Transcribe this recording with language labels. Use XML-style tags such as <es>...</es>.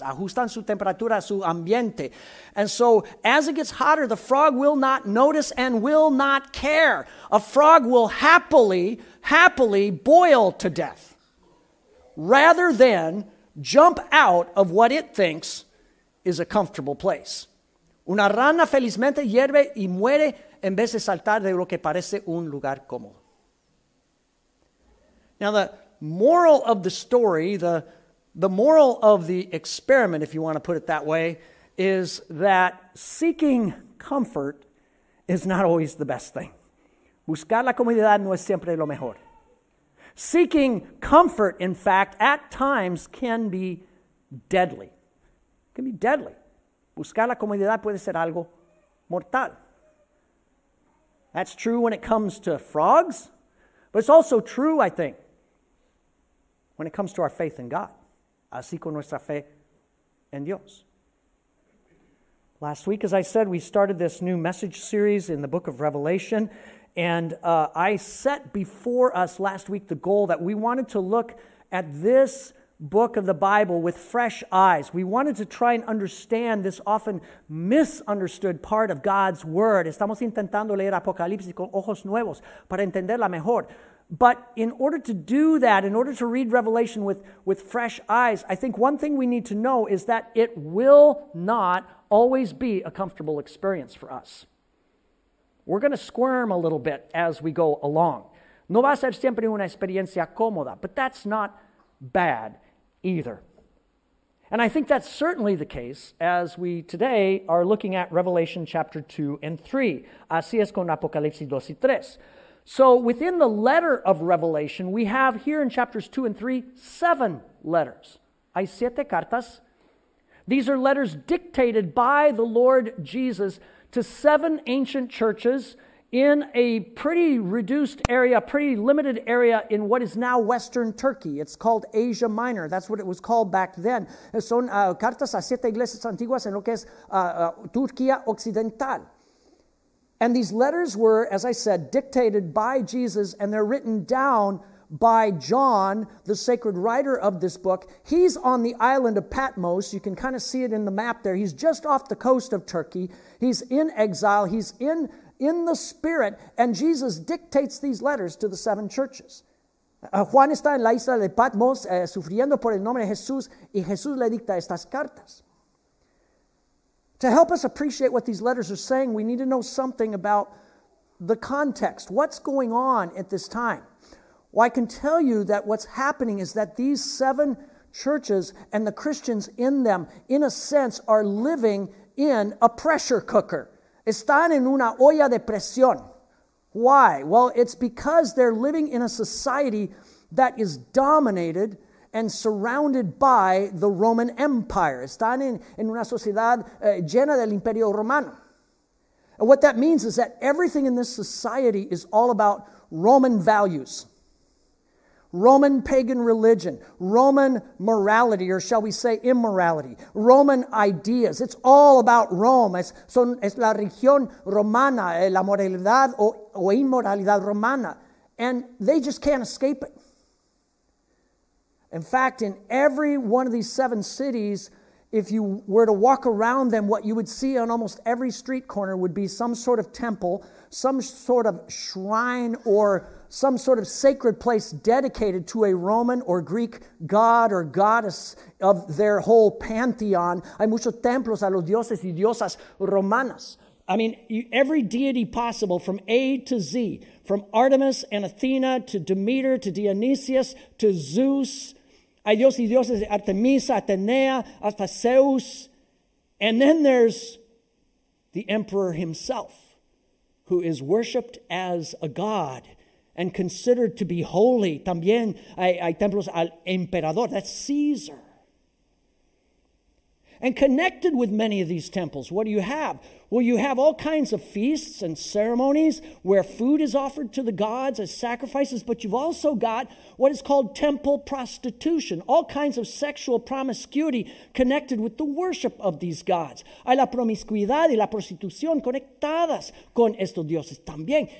<es>Ajustan su temperatura a su ambiente.</es> <en>And so as it gets hotter, the frog will not notice and will not care. A frog will happily boil to death rather than jump out of what it thinks is a comfortable place.</en> <es>Una rana felizmente hierve y muere en vez de saltar de lo que parece un lugar cómodo.</es> <en>Now the moral of the story, the moral of the experiment, if you want to put it that way, is that seeking comfort is not always the best thing.</en> <es>Buscar la comodidad no es siempre lo mejor.</es> <en>Seeking comfort, in fact, at times can be deadly. Can be deadly.</en> <es>Buscar la comodidad puede ser algo mortal.</es> <en>That's true when it comes to frogs, but it's also true, I think, when it comes to our faith in God.</en> <es>Así con nuestra fe en Dios.</es> <en>Last week, as I said, we started this new message series in the book of Revelation, and I set before us last week the goal that we wanted to look at this book of the Bible with fresh eyes. We wanted to try and understand this often misunderstood part of God's Word.</en> <es>Estamos intentando leer Apocalipsis con ojos nuevos para entenderla mejor.</es> <en>But in order to do that, in order to read Revelation with fresh eyes, I think one thing we need to know is that it will not always be a comfortable experience for us. We're going to squirm a little bit as we go along.</en> <es>No va a ser siempre una experiencia cómoda,</es> <en>but that's not bad either. And I think that's certainly the case as we today are looking at Revelation chapter 2 and 3.</en> <es>Así es con Apocalipsis 2 y 3.</es> <en>So within the letter of Revelation, we have here in chapters 2 and 3, 7 letters.</en> <es>Hay 7 cartas.</es> <en>These are letters dictated by the Lord Jesus to 7 ancient churches in a pretty reduced area, pretty limited area in what is now Western Turkey. It's called Asia Minor. That's what it was called back then.</en> <es>Son cartas a 7 iglesias antiguas en lo que es Turquía Occidental.</es> <en>And these letters were, as I said, dictated by Jesus, and they're written down by John, the sacred writer of this book. He's on the island of Patmos. You can kind of see it in the map there. He's just off the coast of Turkey. He's in exile. He's in the spirit, and Jesus dictates these letters to the 7 churches.</en> <es>Juan está en la isla de Patmos, sufriendo por el nombre de Jesús, y Jesús le dicta estas cartas.</es> <en>To help us appreciate what these letters are saying, we need to know something about the context. What's going on at this time? Well, I can tell you that what's happening is that these 7 churches and the Christians in them, in a sense, are living in a pressure cooker.</en> <es>Están en una olla de presión.</es> <en>Why? Well, it's because they're living in a society that is dominated and surrounded by the Roman Empire.</en> <es>Están en una sociedad llena del Imperio Romano.</es> <en>And what that means is that everything in this society is all about Roman values, Roman pagan religion, Roman morality, or shall we say immorality, Roman ideas. It's all about Rome.</en> <es>Es la religión romana, la moralidad o inmoralidad romana.</es> <en>And they just can't escape it. In fact, in every one of these 7 cities, if you were to walk around them, what you would see on almost every street corner would be some sort of temple, some sort of shrine, or some sort of sacred place dedicated to a Roman or Greek god or goddess of their whole pantheon.</en> <es>Hay muchos templos a los dioses y diosas romanas.</es> <en>I mean, every deity possible from A to Z, from Artemis and Athena to Demeter to Dionysius to Zeus,</en> <es>hay dios y dioses de Artemisa, Atenea, hasta Zeus.</es> <en>And then there's the emperor himself, who is worshipped as a god and considered to be holy.</en> <es>También hay templos al emperador,</es> <en>that's Caesar. and connected with many of these temples. What do you have? Well, you have all kinds of feasts and ceremonies where food is offered to the gods as sacrifices, but you've also got what is called temple prostitution, all kinds of sexual promiscuity connected with the worship of these gods.</en> <es>Hay la promiscuidad y la prostitución conectadas con estos dioses también.</es>